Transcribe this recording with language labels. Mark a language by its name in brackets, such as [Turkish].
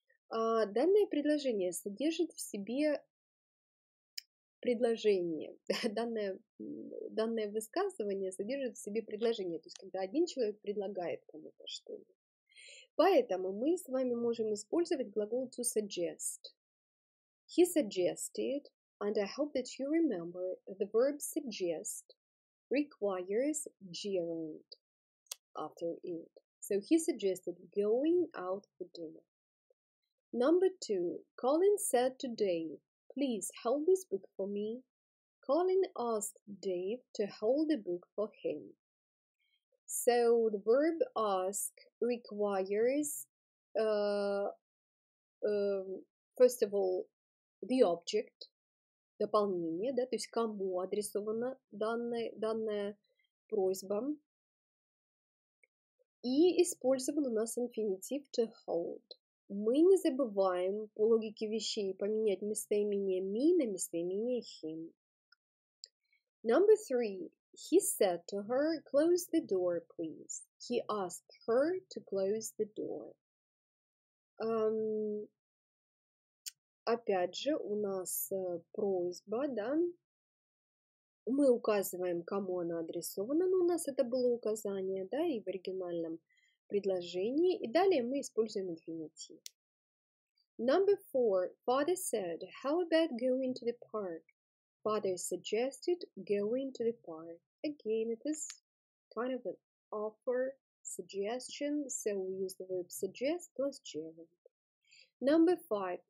[Russian] Данное предложение содержит в себе предложение. Данное высказывание содержит в себе предложение. То есть, когда один человек предлагает кому-то что-то. Поэтому мы с вами можем использовать глагол to suggest. [English] He suggested, and I hope that you remember, the verb suggest requires gerund after it. So he suggested going out for dinner. Number 2. Colin said to Dave, please hold this book for me. Colin asked Dave to hold the book for him. So the verb ask requires, first of all, the object, [Russian] дополнение, да, то есть кому адресована данная просьба. И использован у нас инфинитив to hold. Мы не забываем по логике вещей поменять местоимение me на местоимение him. [English] Number 3. He said to her, close the door, please. He asked her to close the door. [Russian] Опять же, у нас просьба, да? Мы указываем, кому она адресована, но у нас это было указание, да, и в оригинальном предложении. И далее мы используем инфинитив. [English] Number 4. Father said, how about going to the park? Father suggested going to the park. Again, it is kind of an offer, suggestion, so we use the verb suggest plus gerund. Number 5.